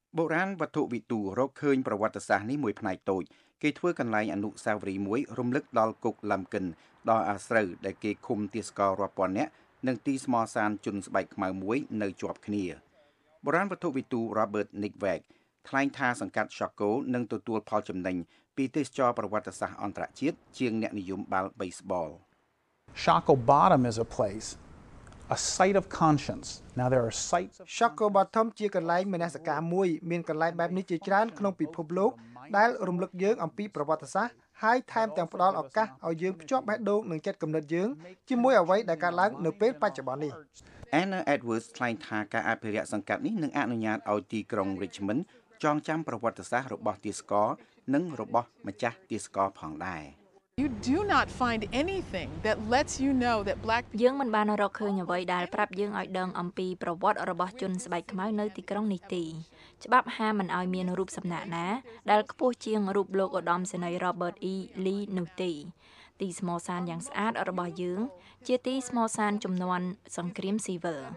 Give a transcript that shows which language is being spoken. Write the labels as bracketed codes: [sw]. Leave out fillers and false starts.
[km] បុរាណវត្ថុវិទូរកឃើញប្រវត្តិសាស្ត្រនេះមួយផ្នែកតូចគេធ្វើកន្លែងអនុស្សាវរីយ៍មួយរំលឹកដល់គុកឡាំកិនដល់អាស្រូវដែលគេឃុំទាសកររាប់ពាន់នាក់និងទីស្មោះសានជនស្បែកខ្មៅមួយនៅជាប់គ្នាបុរាណវត្ថុវិទូ Robert Nickweg ថ្លែងថាសង្កាត់ Shocko និងទទួលផលចំណេញពីទេសចរប្រវត្តិសាស្ត្រអន្តរជាតិជាងអ្នកនិយមបាល់ baseball [en] Socobottom is a place, a site of conscience. Now there are sites of [km] Socobottom ជាកន្លែងមនសិការមួយមានកន្លែងបែបនេះជាច្រើនក្នុងពិភពលោកដែលរំលឹកយើងអំពីប្រវត្តិសាស្ត្រហើយថែមទាំងផ្ដល់ឱកាសឲ្យយើងភ្ជាប់បេះដូងនិងចិត្តគំនិតយើងជាមួយអ្វីដែលកើតឡើងនៅពេលបច្ចុប្បន្ននេះ Anna Edwards ថ្លែងថាការអភិរក្សសង្កាត់នេះនឹងអនុញ្ញាតឲ្យទីក្រុង Richmond ចងចាំប្រវត្តិសាស្ត្ររបស់ទីស្កលនិងរបស់ម្ចាស់ទីស្កលផងដែរ [en] You do not find anything that lets you know that black people [km] យើងមិនបានរកឃើញអ្វីដែលប្រាប់យើងឲ្យដឹងអំពីប្រវត្តិរបស់ជនស្បែកខ្មៅនៅទីក្រុងនេះទេច្បាប់ហាមមិនឲ្យមានរូបសំណាកណាដែលខ្ពស់ជាងរូបលោកឧត្តមសេនីយ៍ Robert E. Lee នោះទេទីស្មោសានយ៉ាងស្អាតរបស់យើងជាទីស្មោសានជំនន់សង្គ្រាមស៊ីវិល